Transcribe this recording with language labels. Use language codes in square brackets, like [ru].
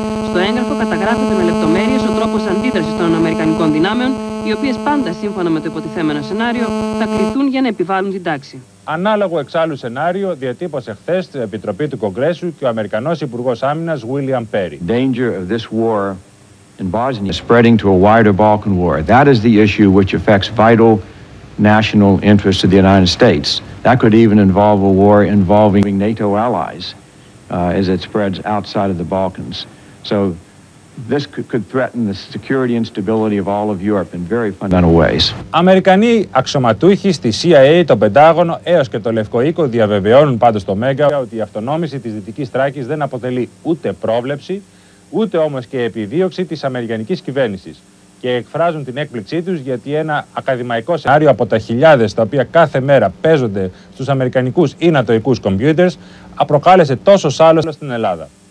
[el] Στο έγγραφο καταγράφεται με λεπτομέρειες ο τρόπος αντίδρασης των Αμερικανικών δυνάμεων, οι οποίες πάντα σύμφωνα με το υποτιθέμενο σενάριο θα κληθούν για να επιβάλλουν την τάξη. Ανάλογο εξάλλου σενάριο διατύπωσε χθες στην Επιτροπή του Κογκρέσου και ο Αμερικανός Υπουργός Άμυνας William Perry. [en] Danger of this war in Bosnia spreading to a wider Balkan war. That is the issue which affects vital national interests of the United States. That could even involve a war involving NATO allies as it spreads outside of the Balkans. So this could threaten the security and stability of all of Europe in very fundamental ways. [el] Αμερικανοί αξιωματούχοι στη CIA, το Πεντάγωνο έως και το Λευκό Οίκο διαβεβαιώνουν πάντως το Μέγκα ότι η αυτονόμηση της Δυτικής Θράκης δεν αποτελεί ούτε πρόβλεψη, ούτε όμως και επιδίωξη της αμερικανικής κυβέρνησης. Και εκφράζουν την έκπληξή τους γιατί ένα ακαδημαϊκό σενάριο από τα χιλιάδες τα οποία κάθε μέρα παίζονται στους αμερικανικούς ή νατοϊκούς computers απροκάλεσε τόσο σάλος στην Ελλάδα.